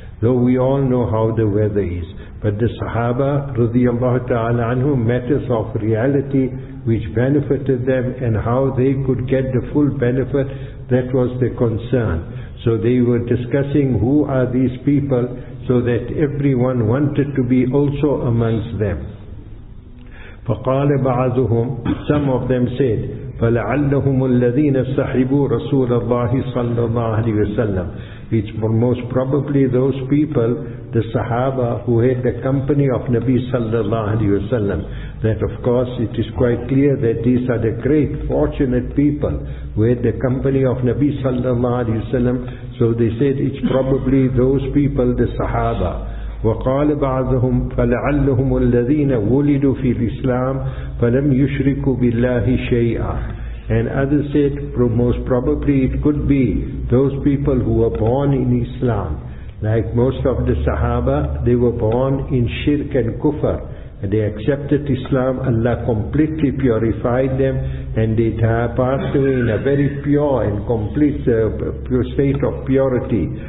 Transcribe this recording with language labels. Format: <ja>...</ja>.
<en>Though we all know how the weather is. But the Sahaba, radiallahu ta'ala anhum, matters of reality which benefited them and how they could get the full benefit, that was the concern. So they were discussing who are these people, so that everyone wanted to be also amongst them.</en> <ar>فَقَالَ بَعَضُهُمْ, some of them said, فَلَعَلَّهُمُ الَّذِينَ سَحِبُوا رَسُولَ اللَّهِ صَلَّى اللَّهُ عَلَيْهِ وَسَلَّمْ.</ar> <en>It's most probably those people, the Sahaba, who had the company of Nabi sallallahu alayhi wa sallam. That of course it is quite clear that these are the great fortunate people who had the company of Nabi sallallahu alayhi wa sallam. So they said it's probably those people, the Sahaba.</en> <ar>وقال بعضهم فلعلهم الذين ولدوا في الإسلام فلم يشركوا بالله شيئا.</ar> <en>And others said, most probably it could be those people who were born in Islam. Like most of the Sahaba, they were born in shirk and kufr. And they accepted Islam, Allah completely purified them, and they passed away in a very pure and complete pure state of purity.</en>